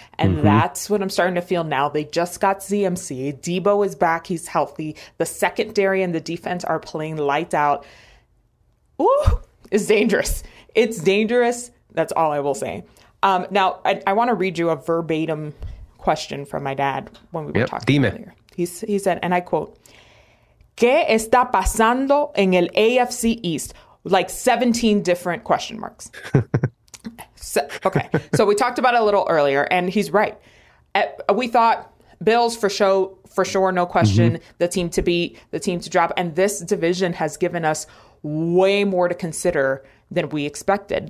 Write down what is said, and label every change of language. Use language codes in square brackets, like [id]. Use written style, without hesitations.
[en] And that's what I'm starting to feel now. They just got CMC. Debo is back. He's healthy. The secondary and the defense are playing light out. Ooh, it's dangerous. It's dangerous. That's all I will say. Now, I want to read you a verbatim question from my dad when we were talking earlier. He said, and I quote, [es] ¿Qué está pasando en el AFC East? [en] Like 17 different question marks. So we talked about it a little earlier, and he's right. We thought Bills for sure, no question, the team to beat, the team to drop. And this division has given us way more to consider than we expected.